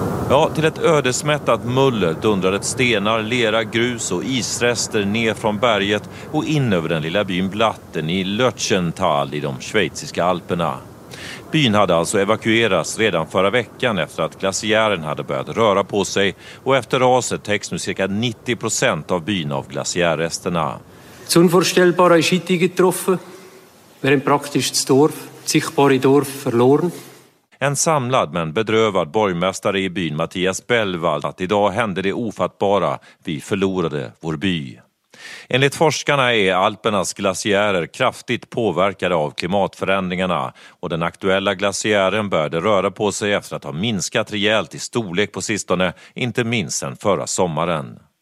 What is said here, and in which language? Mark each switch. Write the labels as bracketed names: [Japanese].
[Swedish] Ja, till ett ödesmättat muller dundrade stenar, lera, grus och isrester ner från berget och in över den lilla byn Blatten i Lötschental i de schweiziska alperna. Byn hade alltså evakuerats redan förra veckan efter att glaciären hade börjat röra på sig, och efter raset täcks nu cirka 90% av byn av glaciärresterna. [German] Das Unvorstellbare ist heute getroffen. Wir haben praktisch das Dorf, das sichtbare Dorf, verloren. [Swedish] En samlad men bedrövad borgmästare i byn, Mattias Bellwald, att idag hände det ofattbara. Vi förlorade vår by. Enligt forskarna är Alpernas glaciärer kraftigt påverkade av klimatförändringarna, och den aktuella glaciären började röra på sig efter att ha minskat rejält i storlek på sistone, inte minst sen förra sommaren.